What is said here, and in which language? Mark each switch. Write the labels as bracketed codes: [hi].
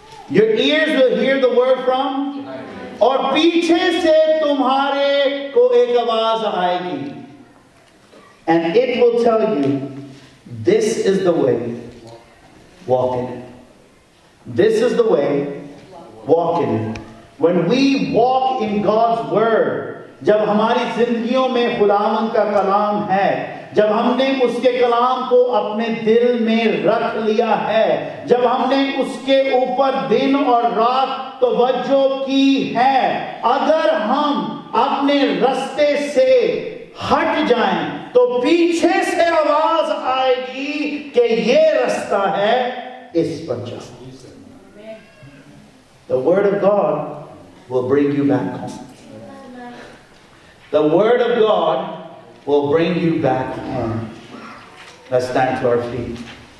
[en] Your ears will hear the word from? [hi] Or piche se tumhare ko ek awaz aayegi. [en] And it will tell you, This is the way, walk in it. This is the way, walk in it. When we walk in God's word, [hi] जब हमारी जिंदगियों में खुदावन का कलाम है, जब हमने उसके कलाम को अपने दिल में रख लिया है, जब हमने उसके ऊपर दिन और रात तवज्जो की है, अगर हम अपने रास्ते से हट जाएं, तो पीछे से आवाज आएगी कि ये रास्ता है इस पर जाओ। [en] The word of God will bring you back home. The word of God will bring you back home. Let's stand to our feet.